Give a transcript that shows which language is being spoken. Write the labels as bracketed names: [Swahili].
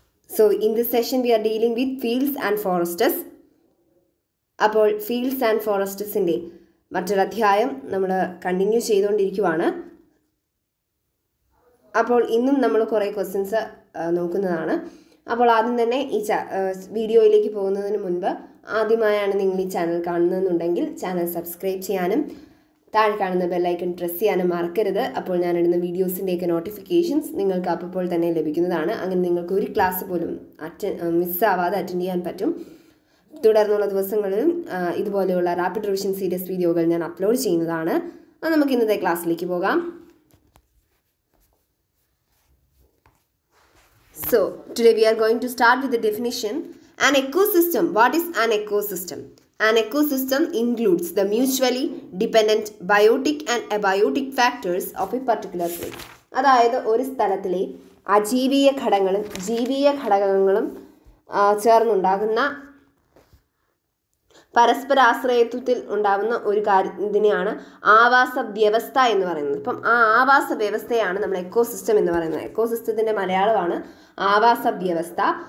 [English] So in this session we are dealing with fields and forests. [Malayalam] അപ്പോൾ fields and ഫോറസ്റ്റസിൻ്റെ മറ്റൊരു അധ്യായം നമ്മൾ continue ചെയ്തുകൊണ്ടിരിക്കുകയാണ്. അപ്പോൾ ഇന്നും നമ്മൾ കുറേ ക്വസ്റ്റ്യൻസ് നോക്കുന്നതാണ്. അപ്പോൾ ആദ്യം തന്നെ ഈ വീഡിയോയിലേക്ക് പോകുന്നതിന് മുൻപ് ആദ്യമായാണ് നിങ്ങൾ ഈ ചാനൽ കാണുന്നതെന്നുണ്ടെങ്കിൽ ചാനൽ സബ്സ്ക്രൈബ് ചെയ്യാനും താഴെ കാണുന്ന ബെല്ലൈക്കൺ പ്രസ് ചെയ്യാനും മറക്കരുത്. അപ്പോൾ ഞാനിടുന്ന വീഡിയോസിൻ്റെയൊക്കെ നോട്ടിഫിക്കേഷൻസ് നിങ്ങൾക്ക് അപ്പോൾ തന്നെ ലഭിക്കുന്നതാണ്. അങ്ങനെ നിങ്ങൾക്ക് ഒരു ക്ലാസ് പോലും മിസ്സാവാതെ അറ്റൻഡ് ചെയ്യാൻ പറ്റും. തുടർന്നുള്ള ദിവസങ്ങളിലും ഇതുപോലെയുള്ള റാപ്പിഡ് റിവിഷൻ സീരീസ് വീഡിയോകൾ ഞാൻ അപ്ലോഡ് ചെയ്യുന്നതാണ്. അത് നമുക്ക് ഇന്നത്തെ ക്ലാസ്സിലേക്ക് പോകാം. [English] So today we are going to start with the definition an ecosystem. What is an ecosystem? An ecosystem includes the mutually dependent biotic and abiotic factors of a particular place. [Malayalam] അതായത് ഒരു സ്ഥലത്തിലെ അജീവീയ ഘടകങ്ങളും ജീവീയ ഘടകങ്ങളും ചേർന്നുണ്ടാകുന്ന പരസ്പരാശ്രയത്വത്തിൽ ഉണ്ടാകുന്ന ഒരു ഇതിനെയാണ് ആവാസ വ്യവസ്ഥ എന്ന് പറയുന്നത്. അപ്പം ആ ആവാസ വ്യവസ്ഥയാണ് നമ്മൾ എക്കോസിസ്റ്റം എന്ന് പറയുന്നത്. എക്കോസിസ്റ്റത്തിൻ്റെ മലയാളമാണ് ആവാസ വ്യവസ്ഥ.